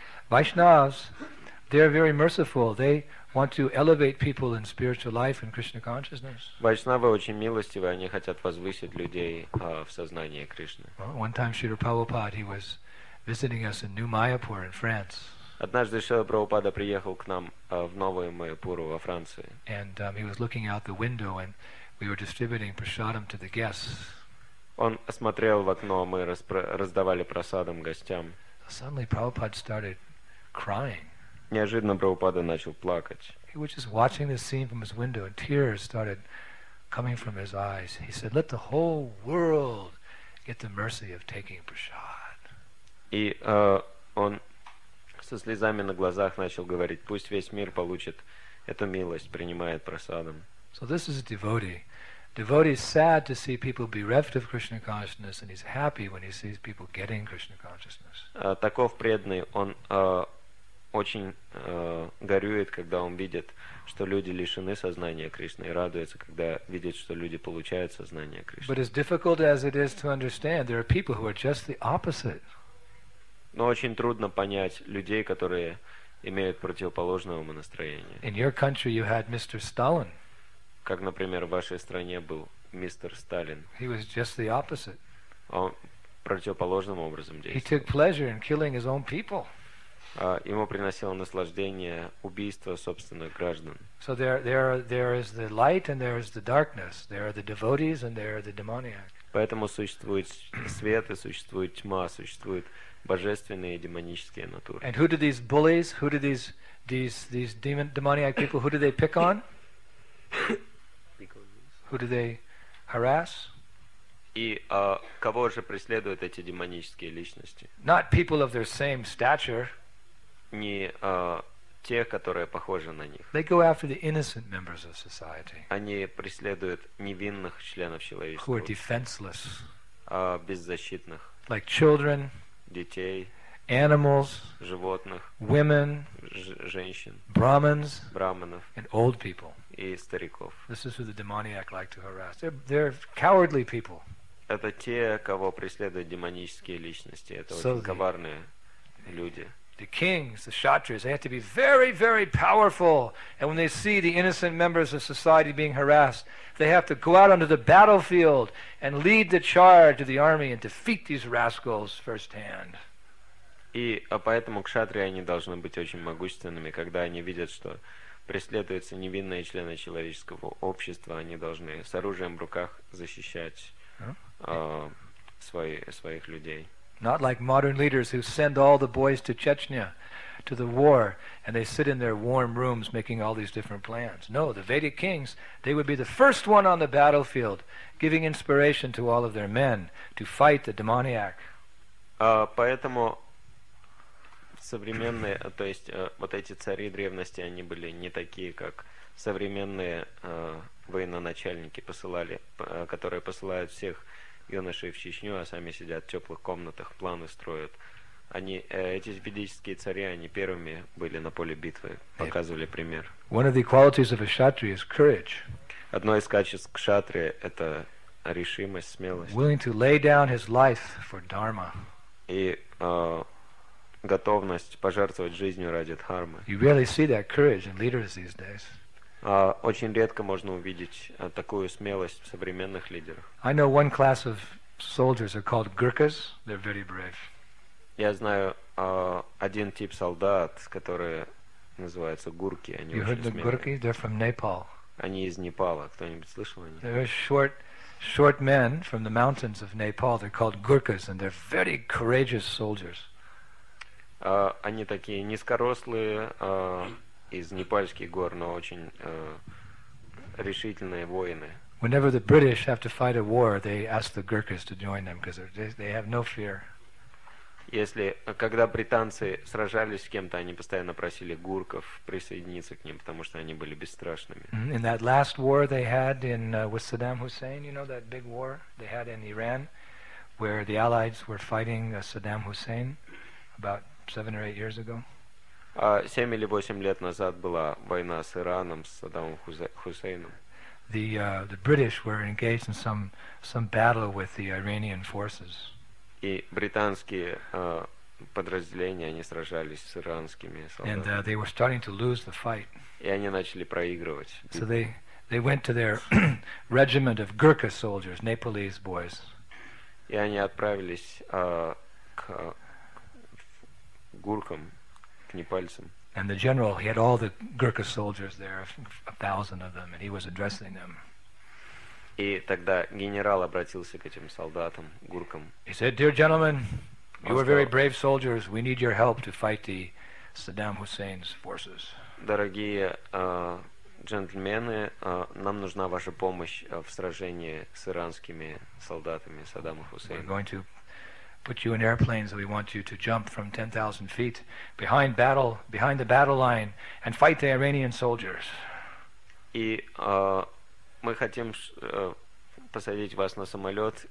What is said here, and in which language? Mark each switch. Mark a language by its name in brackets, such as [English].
[English] Vaishnavas, they are very merciful. They want to elevate people in spiritual life and Krishna consciousness. [Russian] Vaishnava очень милостивы, они хотят возвысить людей в сознании Кришны. [English] One time Srila Prabhupada, he was visiting us in New Mayapur in France. [Russian] Однажды Шрила Прабхупада приехал к нам в Новую Майяпуру во Франции. [English] And he was looking out the window and we were distributing prasadam to the guests. [Russian] Он смотрел в окно, мы раздавали прасадам гостям. [English] Suddenly Prabhupada started crying. [Russian] Неожиданно Прабхупада начал плакать. [English] He was just watching the scene from his window and tears started coming from his eyes. He said, "Let the whole world get the mercy of taking prasad." [Russian] И он со слезами на глазах начал говорить: пусть весь мир получит эту милость, принимает прасадам. [English] So this is a devotee. Devotee is sad to see people bereft of Krishna consciousness, and he's happy when he sees people getting Krishna consciousness. [Russian] Таков преданный, он очень горюет, когда он видит, что люди лишены сознания Кришны, и радуется, когда видит, что люди получают сознание Кришны. [English] But as difficult as it is to understand, there are people who are just the opposite. [Russian] Но очень трудно понять людей, которые имеют противоположное умонастроение. [English] In your country you had Mr. Stalin. [Russian] Как, например, в вашей стране был мистер Сталин. [English] He was just the opposite. [Russian] Он противоположным образом действовал. [English] He took pleasure in killing his own people. [Russian] Ему приносило наслаждение убийство собственных граждан. [English] So there is the light and there is the darkness. There are the devotees and there are the demoniacs. [Russian] Поэтому существует свет и существует тьма, существует божественные и демонические натуры. [English] And who do these bullies, who do these demoniac people, who do they pick on? Who do they harass? [Russian] И кого же преследуют эти демонические личности? [English] Not people of their same stature. [Russian] Не тех, которые похожи на них. [English] They go after the innocent members of society. [Russian] Они преследуют невинных членов человечества. [English] Who are defenseless. [Russian] Беззащитных. [English] Like children. [Russian] Детей, [English] animals, [Russian] животных, [English] women, [Russian] женщин, [English] Brahmins, [Russian] браманов, [English] and old people. [Russian] и стариков. [English] This is who the demoniac like to harass. They're cowardly people. [Russian] Это те, кого преследуют демонические личности. Это очень коварные люди. [English] The kings, the kshatriyas, they have to be very, very powerful. And when they see the innocent members of society being harassed, they have to go out onto the battlefield and lead the charge of the army and defeat these rascals firsthand. [Russian] И поэтому кшатрии, они должны быть очень могущественными, когда они видят, что преследуются невинные члены человеческого общества, они должны с оружием в руках защищать своих людей. [English] Not like modern leaders who send all the boys to Chechnya, to the war, and they sit in their warm rooms making all these different plans. No, the Vedic kings, they would be the first one on the battlefield, giving inspiration to all of their men to fight the demoniac. [Russian] Поэтому современные, то есть вот эти цари древности, они были не такие, как современные военачальники, которые посылают всех юношей в Чечню, а сами сидят в теплых комнатах, планы строят. Они, эти ведические цари, они первыми были на поле битвы, показывали пример. [English] One of the qualities of a kshatriya is courage. [Russian] Одно из качеств кшатрии – это решимость, смелость. [English] Willing to lay down his life for dharma. [Russian] И готовность пожертвовать жизнью ради дхармы. [English] You really see that courage in leaders these days. [Russian] Очень редко можно увидеть такую смелость в современных лидерах. [English] I know one class of soldiers are called Gurkhas. They're very brave. [Russian] Я знаю один тип солдат, которые называются гурки. Они [English] You heard the Gurkhas? They're from Nepal. [Russian] Они из Непала. Кто-нибудь слышал о них? [English] They're short men from the mountains of Nepal. They're called Gurkhas, and they're very courageous soldiers. [Russian] Они такие низкорослые. Из непальских гор, но очень решительные воины. [English] Whenever the British have to fight a war, they ask the Gurkhas to join them because they have no fear. [Russian] Если когда британцы сражались с кем-то, они постоянно просили гурков присоединиться к ним, потому что они были бесстрашными. [English] In that last war they had in with Saddam Hussein, you know that big war they had in Iran, where the Allies were fighting Saddam Hussein about 7 or 8 years ago. [Russian] 7 или 8 лет назад была война с Ираном, с Саддамом Хусейном. [English] The British were engaged in some battle with the Iranian forces. [Russian] И британские подразделения, они сражались с иранскими солдатами. [English] And they were starting to lose the fight. [Russian] И они начали проигрывать. [English] So they went to their regiment of Gurkha soldiers, Nepalese boys. [Russian] И они отправились к гуркам. [English] And the general, he had all the Gurkha soldiers there, 1,000 of them, and he was addressing them. [Russian] И тогда генерал обратился к этим солдатам, гуркам. [English] He said, "Dear gentlemen, you are very brave soldiers. We need your help to fight the Saddam Hussein's forces." [Russian] Дорогие джентльмены, нам нужна ваша помощь в сражении с иранскими солдатами Саддама Хусейна. [English] We're going to put you in airplanes, and we want you to jump from 10,000 feet behind the battle line and fight the Iranian soldiers. [Russian] И мы хотим посадить вас на самолет